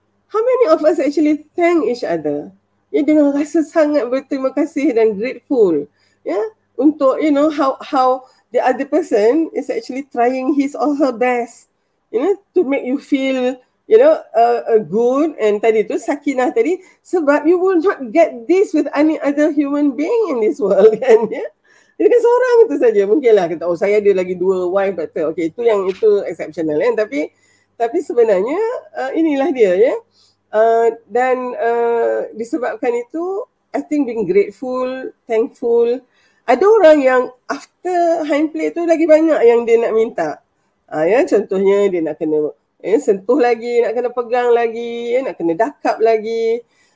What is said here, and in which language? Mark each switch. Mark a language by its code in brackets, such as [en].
[en] How many of us actually thank each other ya [ms] dengan rasa sangat berterima kasih dan [en] grateful ya, untuk you know how the other person is actually trying his or her best you know to make you feel you know good, and [ms] tadi tu sakinah tadi, sebab [en] you will not get this with any other human being in this world kan ya, yeah? [ms] Kan seorang itu saja mungkinlah kata oh saya ada lagi dua wife better, okay itu yang itu exceptional kan, tapi sebenarnya inilah dia ya, yeah? Dan disebabkan itu [en] I think being grateful, thankful. [ms] Ada orang yang [en] after hind play [ms] tu lagi banyak yang dia nak minta. Ya, contohnya dia nak kena sentuh lagi, nak kena pegang lagi, nak kena dakap lagi.